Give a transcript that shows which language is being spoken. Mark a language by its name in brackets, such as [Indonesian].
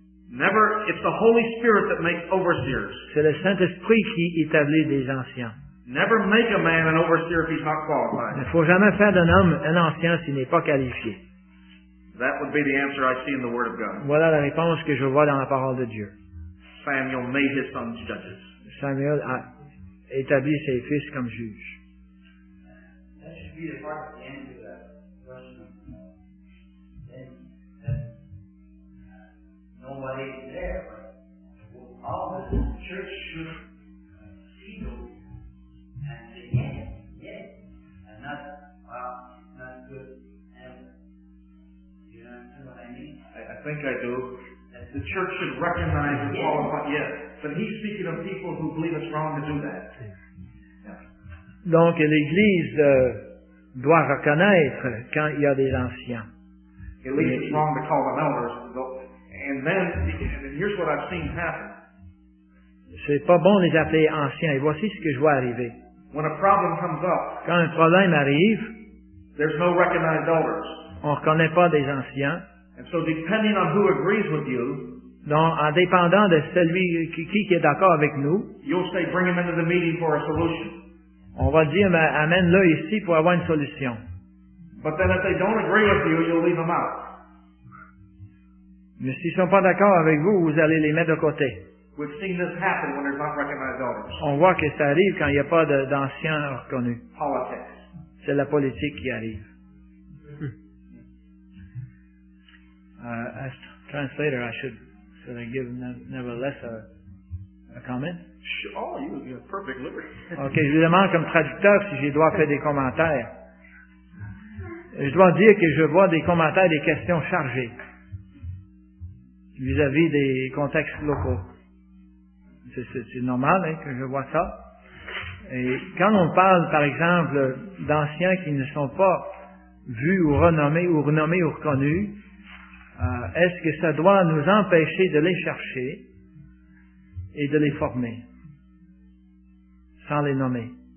[English] Never, it's the Holy Spirit that makes overseers. [French] C'est le Saint-Esprit qui établit des anciens. [English] Never make a man an overseer if he's not qualified. [French] Il ne faut jamais faire d'un homme un ancien s'il n'est pas qualifié. [English] That would be the answer I see in the Word of God. [French] Voilà la réponse que je vois dans la parole de Dieu. [English] Samuel made his sons judges. [French] Samuel a établi ses fils comme juges. [English] That should be the part of the end of that question. Nobody is there. All the church should see those. I think I do. The church should recognize and qualify. Yes, but he's speaking of people who believe it's wrong to do that. Yes. [French] Donc l'Église doit reconnaître quand il y a des anciens. [English] At least it's wrong to call them elders. And here's what I've seen happen. [French] C'est pas bon de les appeler anciens. Et voici ce que je vois arriver. [English] When a problem comes up, [French] quand un problème arrive, [English] there's no recognized elders. [French] On reconnaît pas des anciens. [English] And so depending on who agrees with you, [French] Donc, en dépendant de celui qui est d'accord avec nous, [English] you'll say, bring him into the meeting for a solution. [French] On va dire, mais amène-le ici pour avoir une solution. [English] But then if they don't agree with you, you'll leave them out. [French] Mais s'ils ne sont pas d'accord avec vous, vous allez les mettre de côté. [English] We've seen this happen when there's not recognized elders. [French] On voit que ça arrive quand il n'y a pas d'anciens reconnus. [English] Politics. [French] C'est la politique qui arrive. [English] As translator, should I give nevertheless a comment? Sure. Oh, you would be a perfect liberty. [French] Okay, je demande comme traducteur si je dois faire des commentaires. Je dois dire que je vois des commentaires, des questions chargées vis-à-vis des contextes locaux. C'est normal hein, que je vois ça. Et quand on parle, par exemple, d'anciens qui ne sont pas vus ou renommés ou renommés ou reconnus, est-ce que ça doit nous empêcher de les chercher et de les former sans les nommer?